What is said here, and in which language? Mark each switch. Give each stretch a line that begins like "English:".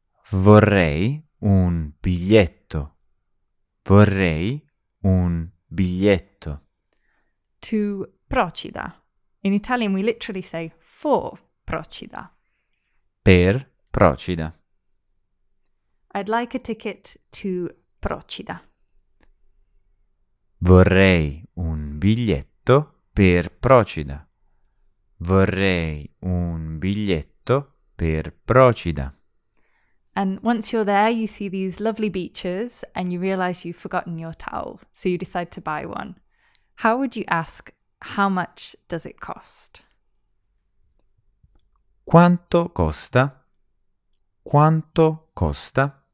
Italian: Vorrei un biglietto. Vorrei un biglietto.
English: To Procida. In Italian we literally say for Procida.
Italian: Per Procida.
English: I'd like a ticket to Procida.
Italian: Vorrei un biglietto per Procida. Vorrei un biglietto per Procida.
English: And once you're there, you see these lovely beaches and you realize you've forgotten your towel, so you decide to buy one. How would you ask, how much does it cost?
Italian: Quanto costa? Quanto costa?